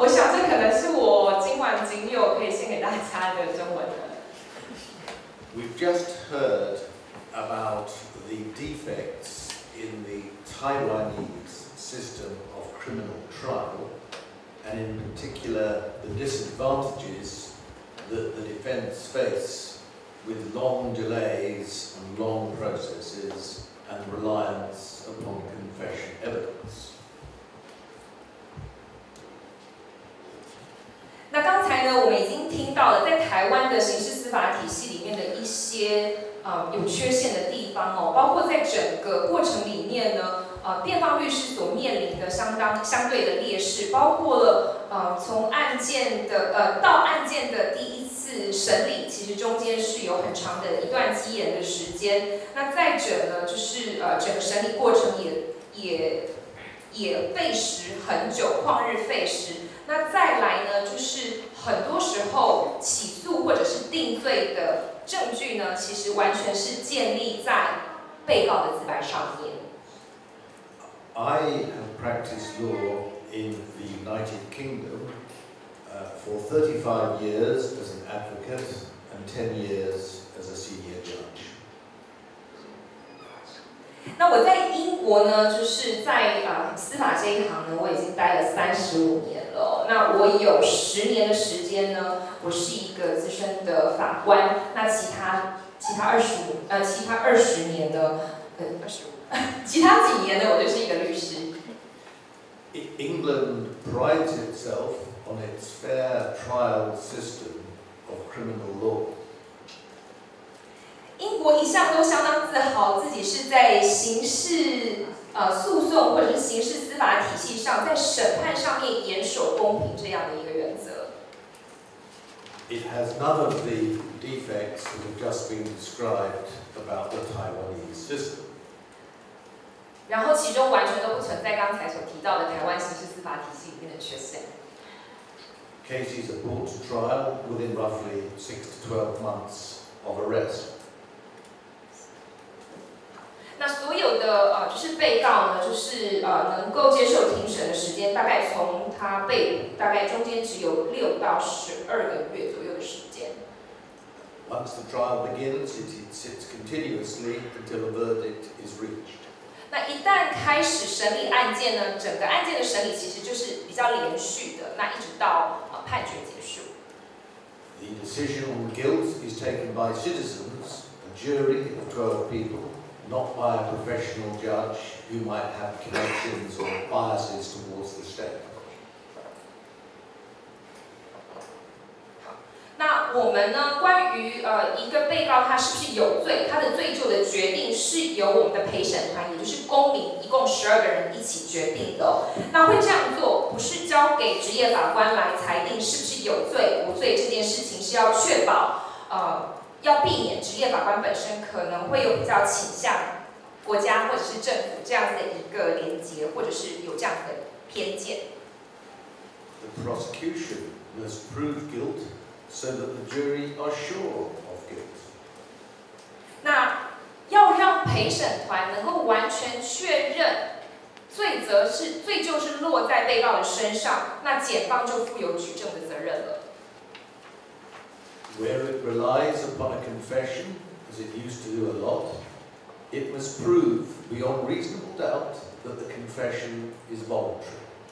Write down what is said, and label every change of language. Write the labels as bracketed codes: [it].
[zh] 我想这可能是我今晚仅有可以先给大家的中文了。 [en] We've just heard about the defects in the Taiwanese system of criminal trial, and in particular the disadvantages that the defense face with long delays and long processes and reliance upon confession evidence. [zh] 那刚才呢，我们已经听到了在台湾的刑事司法体系里面的一些有缺陷的地方哦，包括在整个过程里面呢，辩方律师所面临的相对的劣势，包括了从案件的到案件的第一次审理，其实中间是有很长的一段积延的时间。那再者呢，就是整个审理过程也也费时很久，旷日费时。那再来呢，就是很多时候起诉或者是定罪的证据呢，其实完全是建立在被告的自白上面。 [en] I have practiced law in the United Kingdom for 35 years as an advocate and 10 years as a senior judge. [zh] 那我在英国呢，就是在司法这一行呢，我已经待了35年了。那我有10年的时间呢，我是一个资深的法官。那其他几年呢，我就是一个律师。 [en] England prides itself on its fair trial system of criminal law. [zh] 英国一向都相当自豪，自己是在刑事诉讼或者是刑事司法体系上，在审判上面严守公平这样的一个原则。 [en] It has none of the defects that have just been described about the Taiwanese system. [zh] 然后其中完全都不存在刚才所提到的台湾刑事司法体系里面的缺陷。 [en] Cases are brought to trial within roughly 6 to 12 months of arrest. [zh] 那所有的就是被告呢，就是能够接受庭审的时间，大概从他被捕，大概中间只有6到12个月左右的时间。 [en] Once the trial begins, it sits continuously until a verdict is reached. [zh] 那一旦开始审理案件呢，整个案件的审理其实就是比较连续的，那一直到判决结束。 [en] The decision on guilt is taken by citizens, a jury of 12 people, not by a professional judge who might have connections or biases towards the state. [zh] 那我们呢，关于一个被告他是不是有罪，他的罪就的决定是由我们的陪审团，也就是公民，一共12个人一起决定的。那会这样做，不是交给职业法官来裁定是不是有罪无罪这件事情，是要确保要避免职业法官本身可能会有比较倾向国家或者是政府这样的一个连结，或者是有这样的偏见。 [en] The prosecution must prove guilt so that the jury are sure of guilt. [zh] 那要让陪审团能够完全确认罪就是落在被告的身上，那检方就负有举证的责任了。 [en] Where it relies upon a confession, as it used to do a lot, it must prove beyond reasonable doubt that the confession is voluntary.